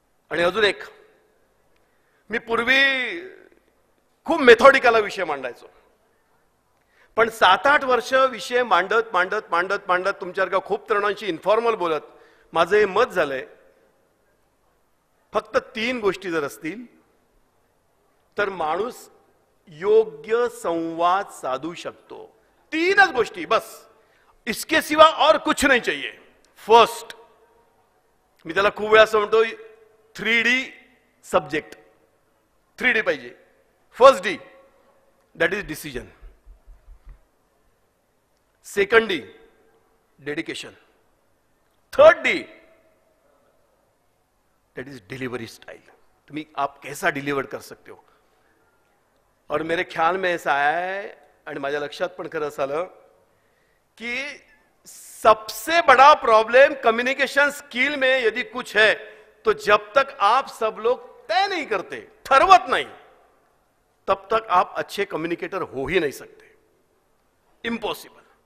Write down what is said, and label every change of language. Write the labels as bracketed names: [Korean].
[Marathi] आणि अजून एक, मी पूर्वी खूप मेथॉडिकल विषय मांडायचो, पण 7-8 वर्ष विषय मांडत मांडत मांडत मांडत तुमच्यासारख्या खूप तरुणांशी इन्फॉर्मल बोलत माझे मत झाले फक्त तीन गोष्टी जर असतील तर माणूस योग्य संवाद साधू शकतो। [Hindi] तीनच गोष्टी बस, इसके सिवा और कुछ नहीं चाहिए। [Marathi] फर्स्ट, मी त्याला खूप वेळा असं म्हणतो 3D सब्जेक्ट, 3D पाहिजे। [English] First D, that is decision. Second D, dedication. Third D, that is delivery style, तुम्ही [Hindi] आप कैसा डिलिव्हर कर सकते हो। और मेरे ख्याल में ऐसा आया है [Marathi] आणि माझ्या लक्षात पण खरं झालं की [Hindi] सबसे बड़ा प्रॉब्लेम कम्युनिकेशन स्किल में यदि कुछ है तो जब तक आप सब लोग तय नहीं करते, ठरवत नहीं, तब तक आप अच्छे कम्युनिकेटर हो ही नहीं सकते। इम्पॉसिबल।